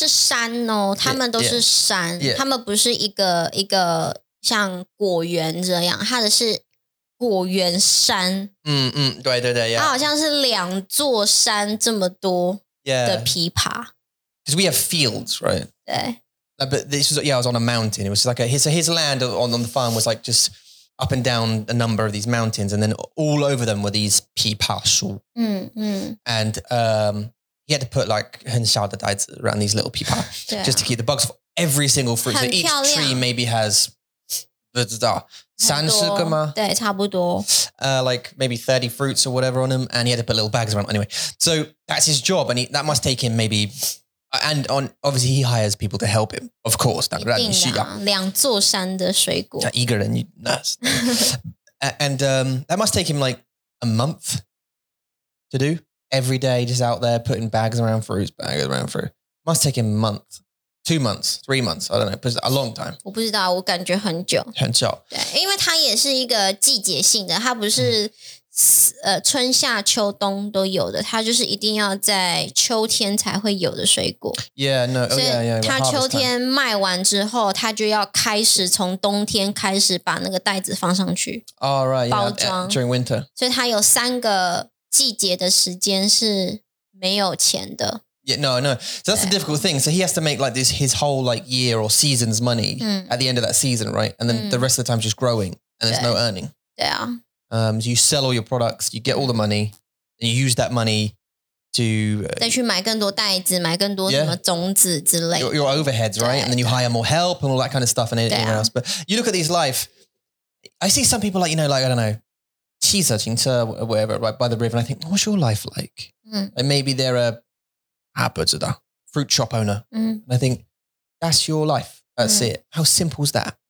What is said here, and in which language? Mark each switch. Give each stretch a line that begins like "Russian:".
Chinese: 是山哦，他们都是山，他们不是一个像果园这样，它的是果园山。嗯嗯，对对对，它好像是两座山这么多的枇杷。
English: Because we have fields, right?
Chinese: 对。
English: But this was, yeah, I was on a mountain. It was like his land on the farm was like just up and down a number of these mountains. And then all over them were these pipa shu. And he had to put like
Chinese: 很小的袋子
English: around these little pipa just to keep the bugs for every single fruit. So each tree maybe has,
Chinese: 不知道三十个吗对差不多
English: Like maybe 30 fruits or whatever on him. And he had to put little bags around. Anyway, so that's his job. And that must take him maybe... And on, obviously, he hires people to help him, of course.
Chinese: 当然你需要两座山的水果。一个人 nurse.
English: And that must take him like a month to do. Every day, just out there, putting bags around fruit. Must take him a month, 2 months, 3 months. I don't know, a long time.
Chinese: 我不知道，我感觉很久。很久。对，因为他也是一个季节性的，他不是春夏秋冬都有的，它就是一定要在秋天才会有的水果。
English: Yeah, no, oh, yeah, yeah.
Chinese: 它秋天卖完之后，它就要开始从冬天开始把那个袋子放上去。
English: Oh, right, yeah.
Chinese: 包装
English: during winter.
Chinese: 所以它有三个季节的时间是没有钱的。
English: Yeah, no, no. So that's the difficult thing. So he has to make like this, his whole like year or season's money at the end of that season, right? And then the rest of the time just growing and there's no earning. Yeah. So you sell all your products, you get all the money, and you use that money to...
Chinese: 再去买更多袋子，买更多什么种子之类的。
English: Your overheads, right? And then you hire more help and all that kind of stuff and anything else. But you look at these life, I see some people like, you know, like, I don't know,
Chinese: 汽车停车,
English: whatever, right by the river, and I think, what's your life like? And maybe they're a fruit shop owner. And I think, that's your life. That's it. How simple is that?